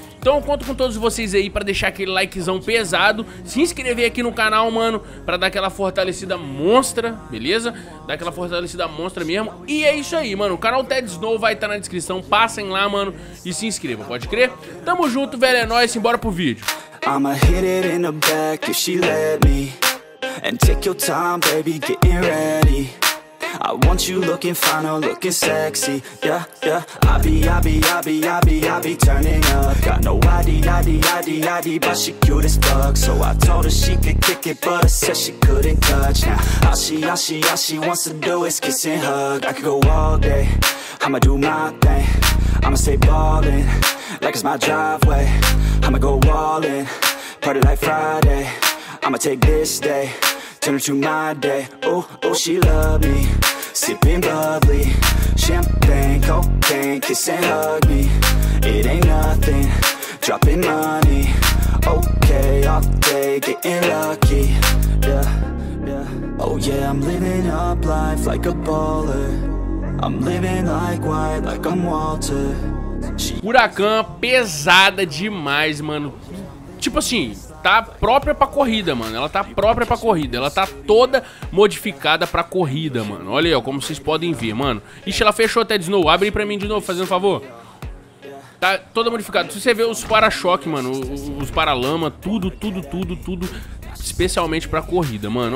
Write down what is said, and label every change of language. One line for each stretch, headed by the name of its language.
Portuguese: Então eu conto com todos vocês aí pra deixar aquele likezão pesado, se inscrever aqui no canal, mano, pra dar aquela fortalecida monstra, beleza? Dar aquela fortalecida monstra mesmo. E é isso aí, mano, o canal Ted Snow vai estar na descrição, passem lá, mano, e se inscrevam, pode crer? Tamo junto, velho, é nóis, embora pro vídeo.
English: I'ma hit it in the back if she let me. And take your time, baby, getting ready. I want you looking fine, oh, looking sexy. Yeah, yeah. I be turning up. Got no ID, but she cute as fuck. So I told her she could kick it, but I said she couldn't touch. Now, all she wants to do is kiss and hug. I could go all day, I'ma do my thing. I'ma stay ballin', like it's my driveway. I'ma go all in, party like Friday. I'ma take this day, turn it to my day. Ooh, ooh, she love me. Sipping bubbly, champagne, cocaine. Kiss and hug me, it ain't nothing. Dropping money, okay, all day. Getting lucky, yeah, yeah. Oh yeah, I'm living up life like a baller. I'm living like white, like I'm Walter.
Portuguese: Huracan pesada demais, mano. Tipo assim, tá própria pra corrida, mano. Ela tá própria pra corrida. Ela tá toda modificada pra corrida, mano. Olha aí, ó, como vocês podem ver, mano. Ixi, ela fechou até de novo. Abre aí pra mim de novo, fazendo favor. Tá toda modificada. Se você ver os para-choque, mano, os para-lama, tudo. Especialmente pra corrida, mano.